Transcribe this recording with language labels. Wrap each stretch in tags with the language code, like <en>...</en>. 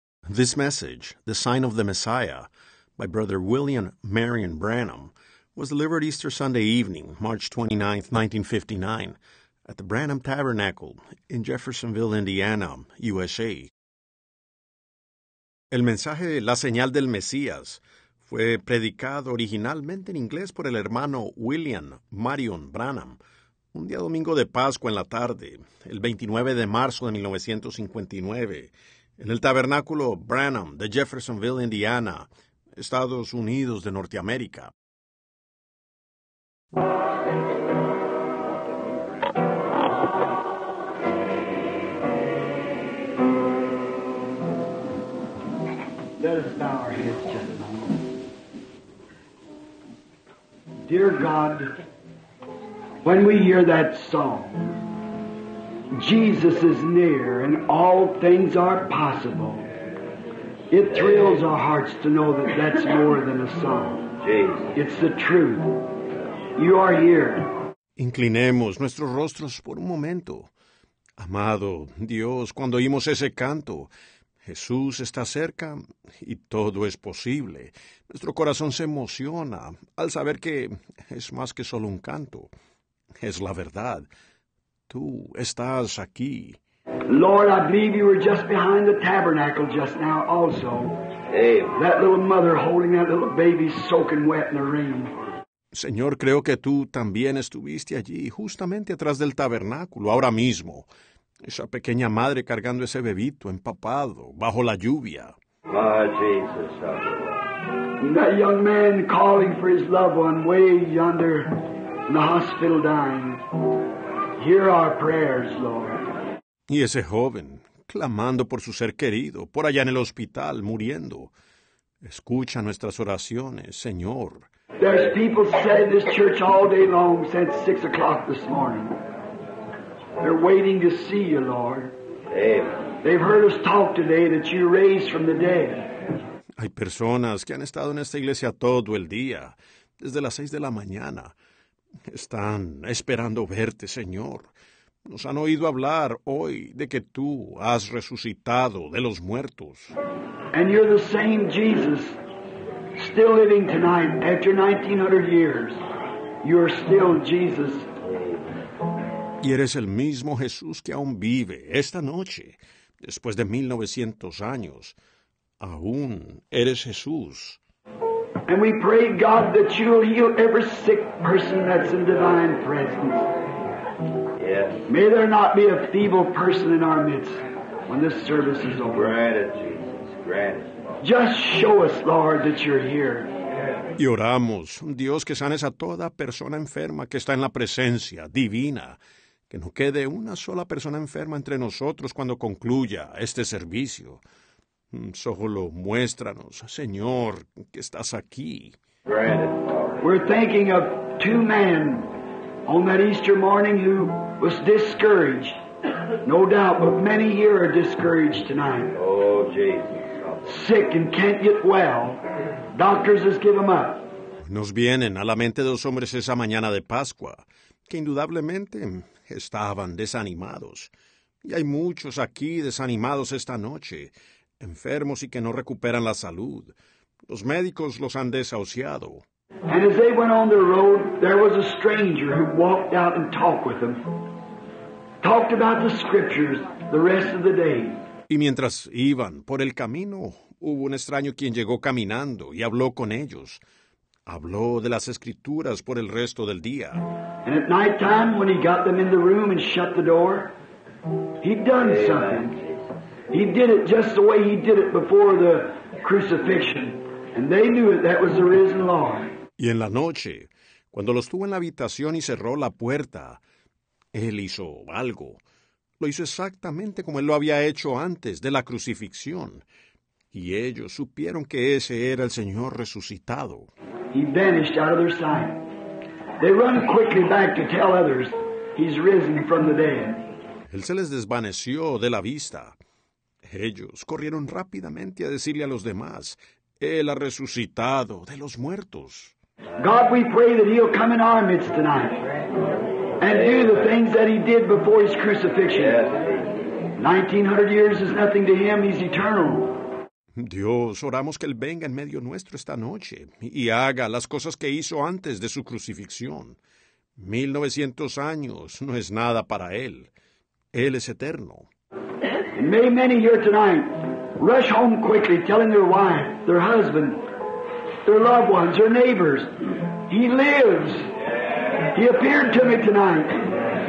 <en>This message, The Sign of the Messiah, by Brother William Marion Branham, was delivered Easter Sunday evening, March 29, 1959, at the Branham Tabernacle in Jeffersonville, Indiana, USA.</en> <es>El mensaje de La Señal del Mesías fue predicado originalmente en inglés por el hermano William Marion Branham, un día domingo de Pascua en la tarde, el 29 de marzo de 1959, en el Tabernáculo Branham de Jeffersonville, Indiana, Estados Unidos de Norteamérica.</es> <en>Let us bow our heads just a moment. Dear God, when we hear that song, Jesus is near and all things are possible, it thrills our hearts to know that that's more than a song. It's the truth. You are here.</en> <es>Inclinemos nuestros rostros por un momento. Amado Dios, cuando oímos ese canto, Jesús está cerca y todo es posible. Nuestro corazón se emociona al saber que es más que solo un canto. Es la verdad. Tú estás aquí.</es> <en>Lord, I believe you were just behind the tabernacle just now also. Hey. That little mother holding that little baby soaking wet in the rain.</en> <es>Señor, creo que tú también estuviste allí, justamente atrás del tabernáculo, ahora mismo. Esa pequeña madre cargando ese bebito empapado bajo la lluvia.</es> <en>My Jesus. That young man calling for his loved one way yonder in the hospital dying. Hear our prayers, Lord.</en> <es>Y ese joven clamando por su ser querido, por allá en el hospital, muriendo. Escucha nuestras oraciones, Señor.</es> <en>There's people sat in this church all day long since 6 o'clock this morning. They're waiting to see you, Lord. Amen. They've heard us talk today that you raised from the dead.</en> <es>Hay personas que han estado en esta iglesia todo el día, desde las 6 de la mañana. Están esperando verte, Señor. Nos han oído hablar hoy de que tú has resucitado de los muertos.</es> <en>And you're the same Jesus. Still living tonight, after 1900 years, you are still Jesus.</en> <es>Y eres el mismo Jesús que aún vive esta noche, después de 1900 años. Aún eres Jesús.</es> <en>And we pray, God, that you'll heal every sick person that's in divine presence. Yes. May there not be a feeble person in our midst when this service is over. Granted, Jesus. Granted. Just show us, Lord, that you're here.</en> <es>Y oramos, Dios, que sanes a toda persona enferma que está en la presencia divina. Que no quede una sola persona enferma entre nosotros cuando concluya este servicio. Solo muéstranos, Señor, que estás aquí.</es> <en>We're thinking of two men on that Easter morning who was discouraged. No doubt, but many here are discouraged tonight. Oh, Jesus. Sick and can't get well. Doctors has given them up.</en> <es>Nos vienen a la mente dos hombres esa mañana de Pascua, que indudablemente estaban desanimados. Y hay muchos aquí desanimados esta noche, enfermos y que no recuperan la salud. Los médicos los han desahuciado.</es> <en>And as they went on the road, there was a stranger who walked out and talked with them. Talked about the scriptures the rest of the day.</en> <es>Y mientras iban por el camino, hubo un extraño quien llegó caminando y habló con ellos. Habló de las Escrituras por el resto del día.</es> <en>And at night time, when he got them in the room and shut the door, he'd done something. He did it just the way he did it before the crucifixion. And they knew it, that was the risen Lord.</en> <es>Y en la noche, cuando los tuvo en la habitación y cerró la puerta, él hizo algo. Lo hizo exactamente como él lo había hecho antes de la crucifixión. Y ellos supieron que ese era el Señor resucitado.</es> <en>He vanished out of their sight. They run quickly back to tell others he's risen from the dead.</en> <es>Él se les desvaneció de la vista. Ellos corrieron rápidamente a decirle a los demás, él ha resucitado de los muertos.</es> <en>God, we pray that he'll come in our midst tonight. And do the things that he did before his crucifixion. 1900 years is nothing to him. He's eternal.</en> <es>Dios, oramos que Él venga en medio nuestro esta noche y haga las cosas que hizo antes de su crucifixión. 1900 años no es nada para Él. Él es eterno.</es> <en>And may many here tonight rush home quickly, telling their wife, their husband, their loved ones, their neighbors, He lives. He appeared to me tonight.</en>